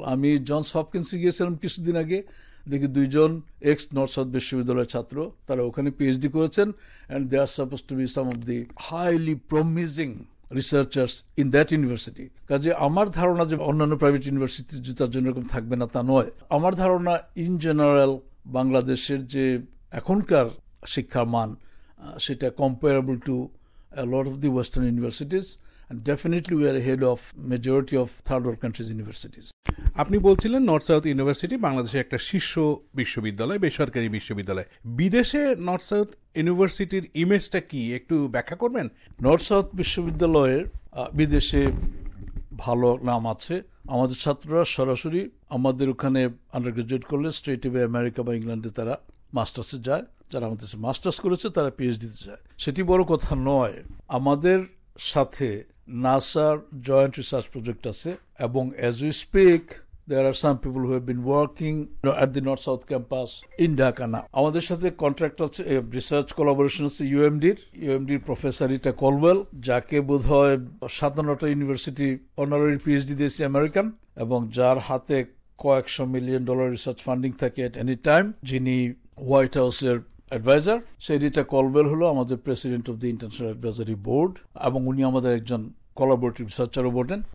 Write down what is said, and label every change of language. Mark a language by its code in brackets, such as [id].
[bn] আমি জনস হপকিন্সে গিয়েছিলাম কিছুদিন আগে, দেখি দুইজন এক্স নর্থ সাউথ বিশ্ববিদ্যালয়ের ছাত্র, তারা ওখানে পিএইচডি করেছেন [en] And they are suppose to be some of the highly promising researchers in that university. [bn] কাজে আমার ধারণা যে অন্যান্য প্রাইভেট ইউনিভার্সিটির জুতার জন্য এরকম থাকবে না তা নয়। আমার ধারণা [en] in general [bn] বাংলাদেশের যে এখনকার শিক্ষার মান সেটা [en] Comparable to lot of the western universities. Definitely we are ahead of majority of third world countries universities. [bn] আপনি বলছিলেন নর্থ সাউথ ইউনিভার্সিটি বাংলাদেশের একটা শীর্ষ বিশ্ববিদ্যালয়, বেসরকারি বিশ্ববিদ্যালয়। বিদেশে নর্থ সাউথ ইউনিভার্সিটির ইমেজটা কি একটু ব্যাখ্যা করবেন? নর্থ সাউথ বিশ্ববিদ্যালয়ের বিদেশে ভালো নাম আছে। আমাদের ছাত্ররা সরাসরি আমাদের ওখানে আন্ডার গ্রাজুয়েট করলে স্ট্রেট ওয়ে আমেরিকা বা ইংল্যান্ডে তারা মাস্টার্সে যায়। যারা আমাদের মাস্টার্স করেছে তারা পিএইচডিতে যায়, সেটি বড় কথা নয়। আমাদের সাথে নাসার জয়েন্ট রিসার্চ প্রজেক্ট আছে এবং [en] As we speak There are some people who have been working at the North-South campus in Dhaka now. [bn] আমাদের সাথে কন্ট্রাক্ট আছে, রিসার্চ কোলাবোরেশন আছে UMD-র, UMD-র প্রফেসর রিটা কলওয়েল, যাকে বোধহয় 7-8টা ইউনিভার্সিটি অনারারি PhD দিয়েছে আমেরিকান, এবং যার হাতে কয়েকশো মিলিয়ন ডলার রিসার্চ ফান্ডিং থাকে [en] at any time, [bn] যিনি হোয়াইট হাউসের অ্যাডভাইজার, সেই রিটা কলওয়েল হলো আমাদের [en] president of the international advisory board, [bn] এবং উনি আমাদের একজন কোলাবোরেটিভ রিসার্চারও বটেন।